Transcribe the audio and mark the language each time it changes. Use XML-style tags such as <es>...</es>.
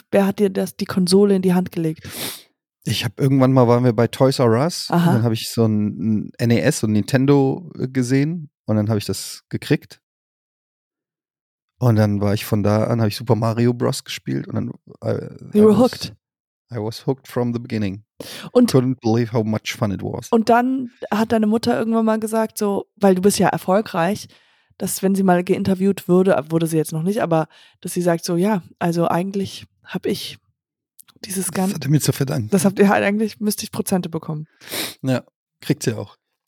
<de>Wer hat dir das, die Konsole in die Hand gelegt? Ich habe irgendwann mal, waren wir bei Toys R Us. Aha. Und dann habe ich so ein NES und Nintendo gesehen und dann habe ich das gekriegt. Und dann war ich von da an, habe ich Super Mario Bros. Gespielt und dann.</de> <en>Hooked. I was hooked from the beginning.</en> <de>Und</de> <en>couldn't believe how much fun it was.</en> <de>Und dann hat deine Mutter irgendwann mal gesagt, so, weil du bist ja erfolgreich, dass wenn sie mal geinterviewt würde, wurde sie jetzt noch nicht, aber dass sie sagt, so, ja, also eigentlich habe ich dieses Ganze. Das hat er mir zu verdanken. Das habt ihr halt, eigentlich müsste ich Prozente bekommen. Ja, kriegt sie auch.</de>